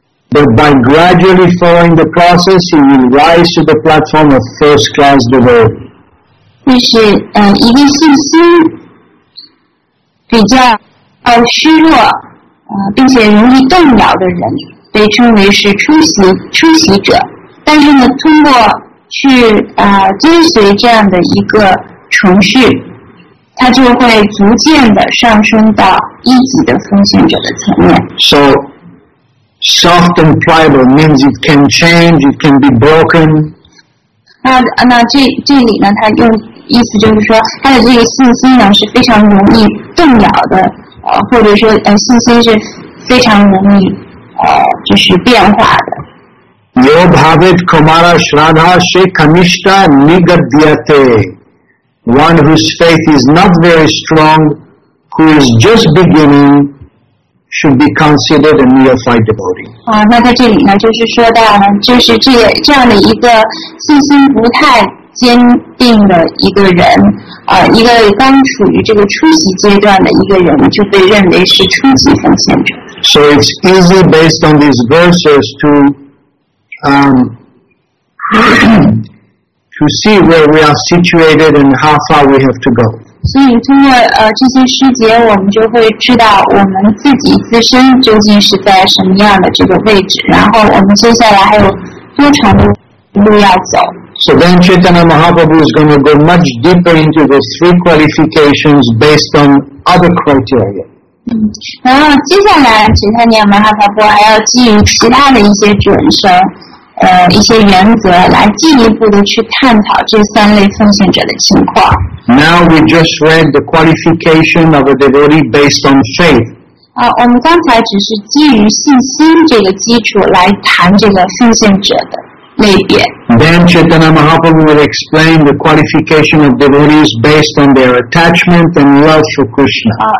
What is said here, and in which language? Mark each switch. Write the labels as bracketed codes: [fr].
[en] But by gradually following the process, he will rise to the platform of first class devotee. [zh] 就是一个信心比较虚弱并且容易动摇的人被称为是初习者。但是呢，通过去追随这样的一个程序，他就会逐渐的上升到一级的奉献者的层面。 [en] So, soft and pliable means it can change, it can be broken. [zh] 那 这里呢，他用意思就是说，他的这个信心呢是非常容易动摇的，或者说信心是非常容易就是变化的。 [sa] Yo bhavet kumara shradha se kamishta nigadhyate. [en] One whose faith is not very strong, who is just beginning, should be considered a neophyte devotee. [zh] 那在这里呢，就是说到呢，就是这样的一个信心不太坚定的一个人，一个刚处于这个初级阶段的一个人，就被认为是初级奉献者。 [en] So it's easy based on these verses to see where we are situated and how far we have to go. [zh] 所以通过这些诗节，我们就会知道我们自己自身究竟是在什么样的这个位置，然后我们接下来还有多长的路要走。 [en] So then Chaitanya Mahaprabhu is going to go much deeper into the three qualifications based on other criteria. [zh] 然后接下来Chaitanya Mahaprabhu还要基于其他的一些准绳。一些原则来进一步的去探讨这三类奉献者的情况。 [en] Now we just read the qualification of a devotee based on faith. [zh] 我们刚才只是基于信心这个基础来谈这个奉献者的类别。 [en] Then Chaitanya Mahaprabhu will explain the qualification of devotees based on their attachment and love for Krishna.